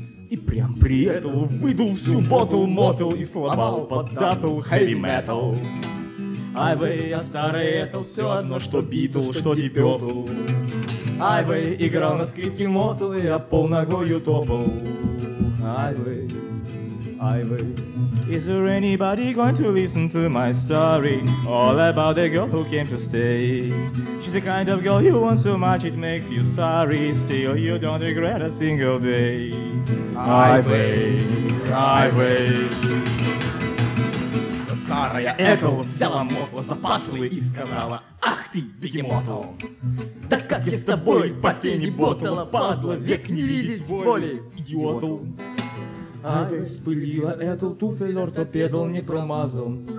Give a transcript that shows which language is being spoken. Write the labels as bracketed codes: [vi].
[ru] И прям при Этл выдул всю ботл Мотл и сломал под датл хэви-метал. Ай-вэй, а старый Этл все одно, что битл, что дипетл. Ай-вэй, играл на скрипке Мотл, и я пол ногою топал. Ай-вэй, ай-вэй. [en] Is there anybody going to listen to my story? All about the girl who came to stay. She's the kind of girl you want so much it makes you sorry. Still you don't regret a single day. Ай-вэй, ай-вэй. [ru] Старая Этл взяла Мотла за патлы и сказала: «Ах ты, бегемотл! Да как я с тобой по фене ботала, падла, век не видеть боли, идиотл!» Ай-вэй, спылила Этл туфель ортопедал, не промазал.